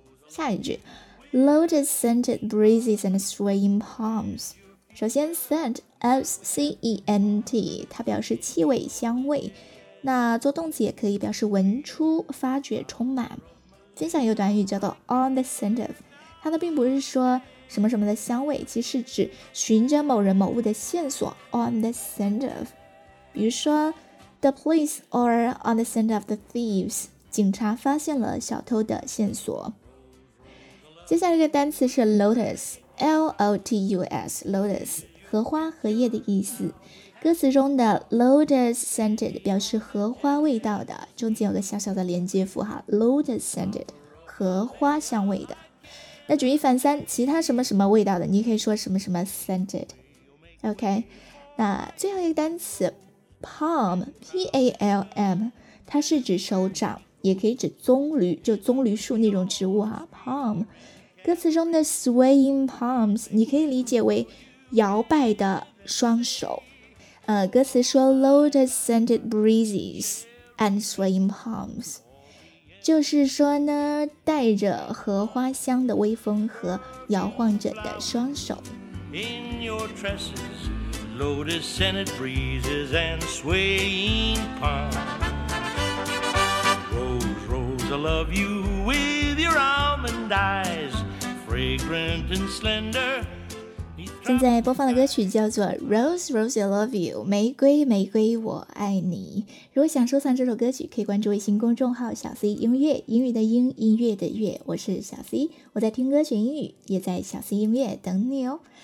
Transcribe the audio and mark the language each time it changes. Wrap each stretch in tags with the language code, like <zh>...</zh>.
<zh>下一句</zh> <en>Lotus scented breezes and swaying palms，</en> <zh>首先 scent S-C-E-N-T 它表示气味香味，那做动词也可以表示闻出发觉充满。接下来有短语叫做</zh> <en>on the scent of，</en> <zh>它呢并不是说什么什么的香味，其实指寻着某人某物的线索 on the scent of。比如说</zh> <en>the police are on the scent of the thieves，</en> <zh>警察发现了小偷的线索。接下来这个单词是 lotus， L-O-T-U-S， lotus， 荷花荷叶的意思。歌词中的</zh> <en>lotus scented</en> <zh>表示荷花味道的，中间有个小小的连接符号 lotus scented， 荷花香味的。那举一反三，其他什么什么味道的，你可以说什么什么 scented， OK。那最后一个单词 palm， P-A-L-M， 它是指手掌，也可以指棕榈，就棕榈树那种植物哈。 palm， 歌词中的</zh> <en>swaying palms，</en> <zh>你可以理解为摇摆的双手。歌词说</zh> <en>lotus scented breezes and swaying palms，</en> <zh>就是说呢，带着荷花香的微风和摇晃着的双手。</zh> <en>In your tresses, lotus scented breezes and swaying palms. Rose, Rose, I love you with your almond eyes, fragrant and slender.</en> <zh>现在播放的歌曲叫做 Rose, Rose, I love you， 玫瑰玫瑰我爱你。如果想收藏这首歌曲，可以关注微信公众号小 C 音乐，英语的英，音乐的乐，我是小 C， 我在听歌学英语，也在小 C 音乐等你哦。</zh>